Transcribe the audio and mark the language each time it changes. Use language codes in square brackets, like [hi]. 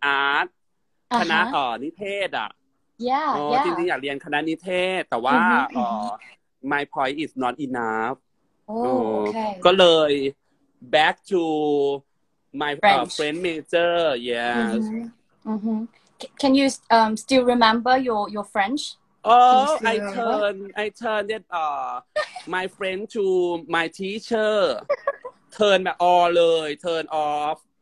[en] art [th] คณะนิเทศจริงๆอยากเรียนคณะนิเทศแต่ว่า [en] my point is not enough [th] ก็เลย [en] back to my French major yes Can you still remember your French? I turn that my friend to my teacher. Turn แบบ all เลย turn off.